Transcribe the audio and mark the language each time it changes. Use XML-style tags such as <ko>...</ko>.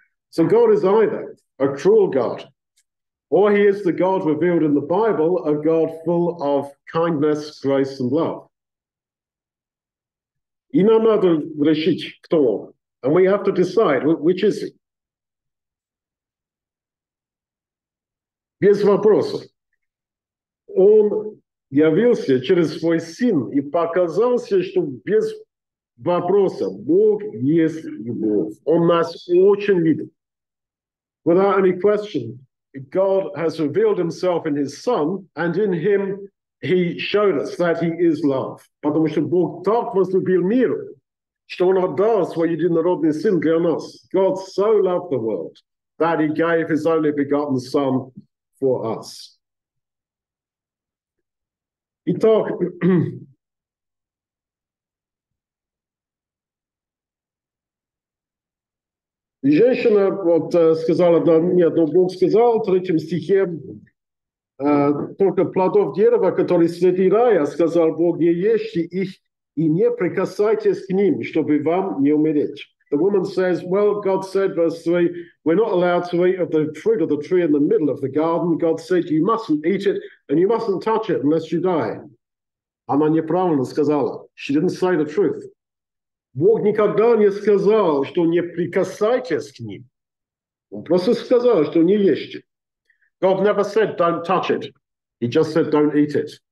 <en>So God is either a cruel God, or he is the God revealed in the Bible, a God full of kindness, grace, and love.</en> <ru>И нам надо решить, кто он.</ru> <en>And we have to decide, which is he?</en> <ru>Без вопроса. Он явился через свой сын и показался, что без вопроса Бог есть любовь. Он нас очень любит.</ru> <en>Without any question, God has revealed himself in his son, and in him he showed us that he is love.</en> <ru>Потому что Бог так возлюбил мир, что он отдал свой единородный сын для нас.</ru> <en>God so loved the world that he gave his only begotten son for us.</en> <ru>Итак, женщина вот сказала, да, нет, но Бог сказал в третьем стихе, только плодов дерева, которые среди рая, сказал Бог, не ешьте их и не прикасайтесь к ним, чтобы вам не умереть.</ru> <en>The woman says, well, God said, verse 3, we're not allowed to eat of the fruit of the tree in the middle of the garden. God said, you mustn't eat it and you mustn't touch it unless you die.</en> <ru>Она неправильно сказала.</ru> <en>She didn't say the truth.</en> <ru>Бог никогда не сказал, что не прикасайтесь к ним. Он просто сказал, что не ешьте.</ru> <en>God never said, don't touch it. He just said, don't eat it.</en>